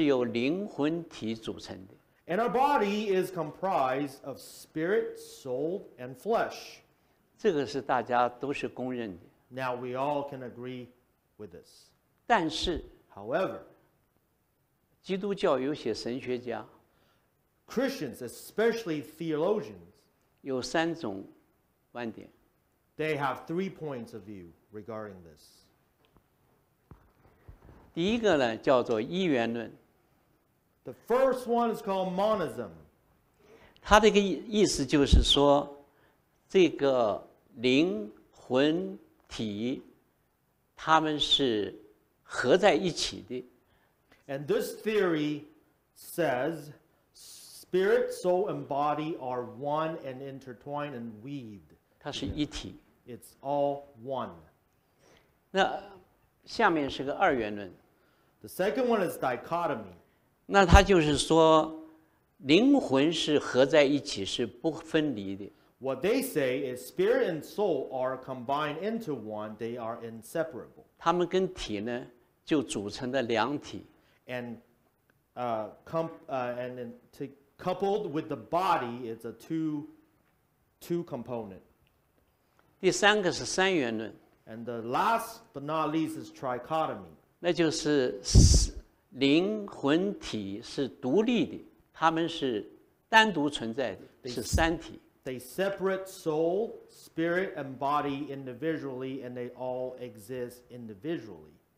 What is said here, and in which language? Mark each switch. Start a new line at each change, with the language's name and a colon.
Chinese: 我们的身体是由灵魂体组成的。
English: And our body is comprised of spirit, soul, and flesh.
Chinese: 这个是大家都是公认的。
English: Now we all can agree with this.
Chinese: 但是,
English: however,
Chinese: 基督教有些神学家,
English: Christians, especially theologians,
Chinese: 有三种观点。
English: They have three points of view regarding this.
Chinese: 第一个呢, 叫做一元论。
English: The first one is called monism.
Chinese: 它这个意思就是说, 这个 灵魂体, 他们是合在一起的。
English: And this theory says spirit, soul, and body are one and intertwined and weaved.
Chinese: 它是一体。
English: It's all one.
Chinese: 那下面是个二元论。
English: The second one is dichotomy.
Chinese: 那它就是说, 灵魂是合在一起, 是不分离的。
English: What they say is spirit and soul are combined into one, they are inseparable.
Chinese: 他们跟体呢, 就组成了两体。
English: And coupled with the body, it's a two component.
Chinese: 第三个是三元论。
English: And the last but not least is trichotomy.
Chinese: 那就是灵魂体是独立的, 他们是单独存在的, 是三体。
English: They separate soul, spirit, and body individually, and they all exist individually.